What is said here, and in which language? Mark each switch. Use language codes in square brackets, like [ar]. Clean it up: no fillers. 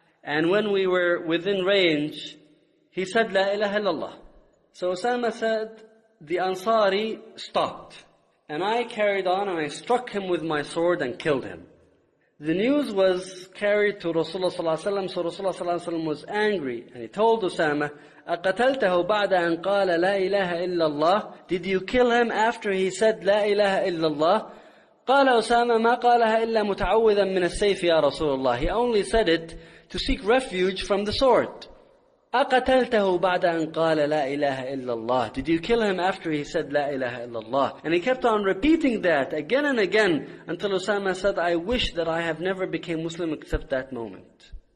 [en] And when we were within range, he said, La ilaha illallah. So Usama said, the Ansari stopped. And I carried on and I struck him with my sword and killed him. The news was carried to Rasulullah sallallahu alayhi wa sallam, so Rasulullah sallallahu alayhi wa sallam was angry. And he told Usama, [ar] أَقَتَلْتَهُ بَعْدَ أَنْ قَالَ لَا إِلَهَ إِلَّا اللَّهِ. [en] Did you kill him after he said, [ar] لَا إِلَهَ إِلَّا اللَّهِ? قَالَ أُسَامَ مَا قَالَهَا إِلَّا مُتَعُوذًا مِنَ السَّيْفِ يَا رَسُولَ اللَّهِ. [en] He only said it to seek refuge from the sword. [ar] أَقَتَلْتَهُ بَعْدَ أَنْ قَالَ لَا إِلَهَ إِلَّا اللَّهِ. [en] Did you kill him after he said, [ar] لَا إِلَهَ إِلَّا اللَّهِ? [en] And he kept on repeating that again and again until Usama said, I wish that I have never became Muslim except that moment.